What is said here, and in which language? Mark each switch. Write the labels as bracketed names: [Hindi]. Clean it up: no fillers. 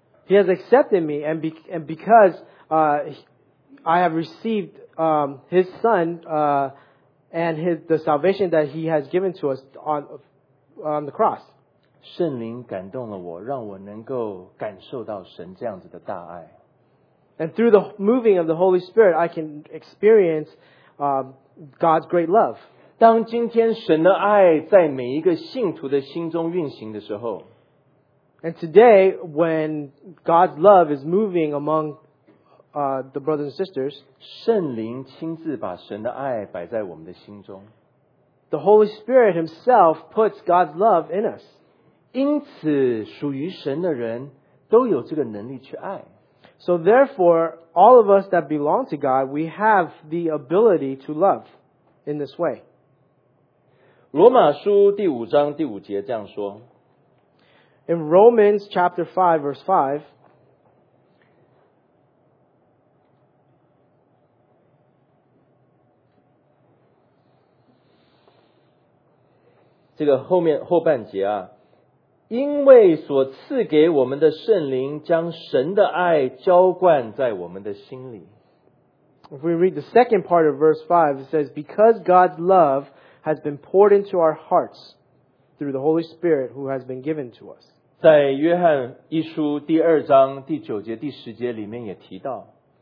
[English] He has accepted me, and because I have received his son and the salvation that he has given to us on the cross. [Chinese] 圣灵感动了我，让我能够感受到神这样子的大爱。 [English] And through the moving of the Holy Spirit, I can experience God's great love. [Chinese] 当今天神的爱在每一个信徒的心中运行的时候， [English] And today, when God's love is moving among the brothers and sisters, [Chinese] 圣灵亲自把神的爱摆在我们的心中。 [English] The Holy Spirit Himself puts God's love in us. [Chinese] 因此，属于神的人都有这个能力去爱。 [English] So therefore, all of us that belong to God, we have the ability to love in this way. [Chinese] 罗马书第五章第五节这样说。 [English] In Romans chapter 5, verse 5, If we read the second part of verse 5, it says, because God's love has been poured into our hearts through the Holy Spirit who has been given to us. [Chinese] 在约翰一书第二章第九节第十节里面也提到。